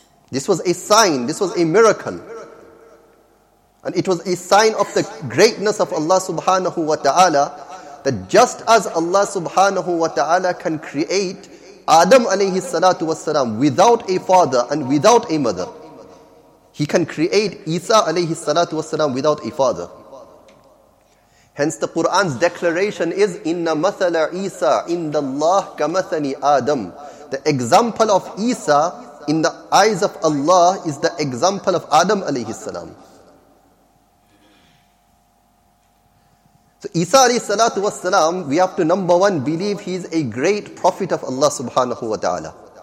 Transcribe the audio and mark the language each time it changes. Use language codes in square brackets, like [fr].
[en] This was a sign, this was a miracle. And it was a sign of the greatness of Allah subhanahu wa ta'ala, that just as Allah subhanahu wa ta'ala can create Adam alayhi salatu wasalam without a father and without a mother, he can create Isa alayhi salatu wasalam without a father. Hence the Quran's declaration is, [ar] إِنَّ مَثَلَ عِيسَىٰ إِنَّ اللَّهِ كَمَثَلِ آدَمْ. [en] The example of Isa in the eyes of Allah is the example of Adam alayhi salam. So Isa alayhi salatu was salam, we have to number one believe he is a great prophet of Allah subhanahu wa ta'ala.